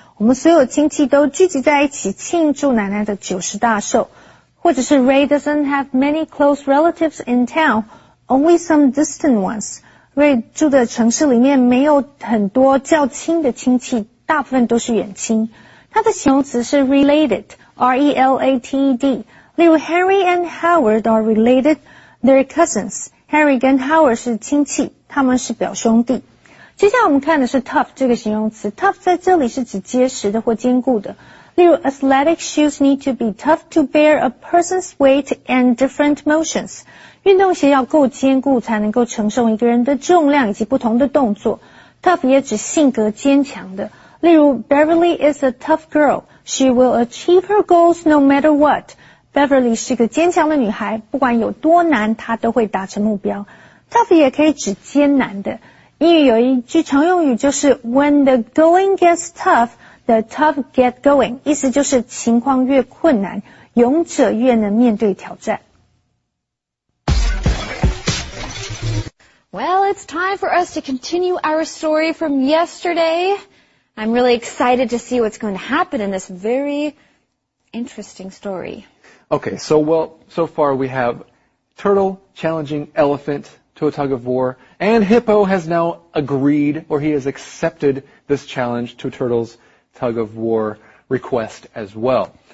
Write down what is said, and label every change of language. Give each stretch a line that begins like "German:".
Chinese: 我们所有亲戚都聚集在一起庆祝奶奶的90大寿。或者是
English: Ray doesn't have many close relatives in town, only some distant ones.
Chinese: Ray 住的城市里面没有很多较亲的亲戚，大部分都是远亲。它的形容词是 related, R-E-L-A-T-E-D.
English: 例如 Harry and Howard are related, they're cousins. Harry 跟 Howard 是亲戚，
Chinese: 他们是表兄弟。接下来我们看的是 tough 这个形容词。
English: Tough
Chinese: 在这里是指结实的或坚固的。例如
English: athletic shoes need to be tough to bear a person's weight and different motions.
Chinese: 运动鞋要够坚固才能够承受一个人的重量以及不同的动作。
English: Tough
Chinese: 也指性格坚强的。例如
English: Beverly is a tough girl. She will achieve her goals no matter what.
Chinese: Beverly 是个坚强的女孩，不管有多难，她都会达成目标。
English: Tough
Chinese: 也可以指艰难的。英语有一句常用语就是
English: When the going gets tough, the tough get going.
Chinese: 意思就是情况越困难，勇者越能面对挑战。
English: Well, it's time for us to continue our story from yesterday. I'm really excited to see what's going to happen in this very interesting story. Okay, so well, so far we have Turtle challenging Elephant to a tug of war, and Hippo has now agreed, or he has accepted this challenge to Turtle's tug of war request as well.